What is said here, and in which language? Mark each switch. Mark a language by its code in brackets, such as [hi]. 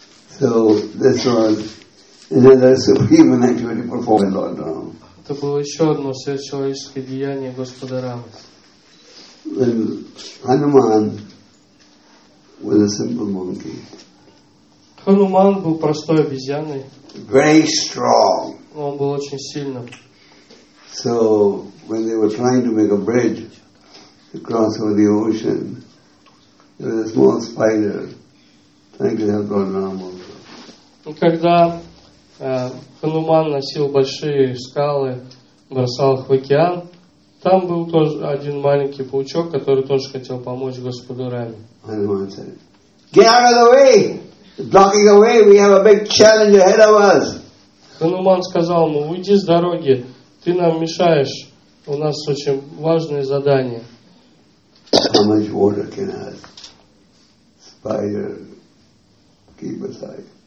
[en] So this was another supreme and actually performed Lord Ram. [ru] Это было еще одно сверхчеловеческое деяние Господа Рамы. [en] When Hanuman was a simple monkey. [ru] Хануман был простой обезьяной. [en] Very strong. [ru] Он был очень сильным. [en] So when they were trying to make a bridge to cross over the ocean, there was a small spider trying to help Lord Rama. [ru] Когда Хануман носил большие скалы, бросал их в океан, там был тоже один маленький паучок, который тоже хотел помочь Господу Раме. [en] Хануман said, "Get out of the way!" Blocking the way, we have a big challenge ahead of us. [ru] Хануман сказал ему: "Уйди с дороги, ты нам мешаешь. У нас очень важное задание." [en] How much water can a spider keep aside?